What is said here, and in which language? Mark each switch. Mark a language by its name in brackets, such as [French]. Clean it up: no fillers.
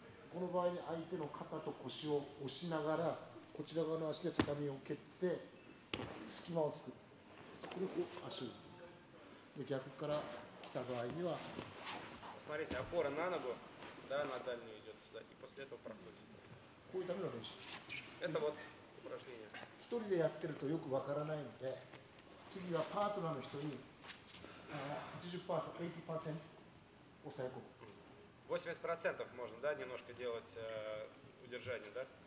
[Japanese] この場合に相手の肩と腰を押しながらこちら側の足で畳を蹴って隙間を作る。これを足を。で逆から来た場合には。 [Russian] Смотрите, опора на ногу, да, на дальнюю идет сюда, и после этого проходит. [Japanese] こういうための練習。 [Russian] Это вот упражнение. [Japanese] 一人でやってるとよくわからないので、次はパートナーの人に 80% 抑え込む。 [Russian] 80% можно, да, немножко делать удержание, да?